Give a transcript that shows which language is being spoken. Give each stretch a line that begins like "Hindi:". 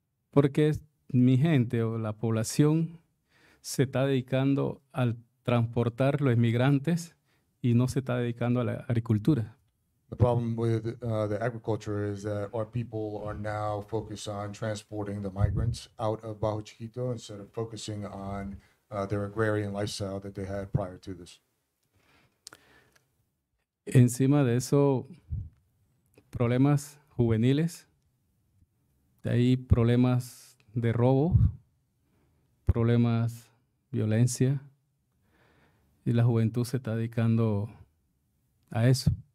Spanish: Porque mi gente o la población se está dedicando al transportar los inmigrantes y no se está dedicando a la agricultura.
English: The problem with the agriculture is that our people are now focused on transporting the migrants out of Bajo Chiquito instead of focusing on their agrarian lifestyle that they had prior to this.
Spanish: Encima de eso, problemas juveniles, de ahí problemas de robo, problemas violencia, y la juventud se está dedicando a eso.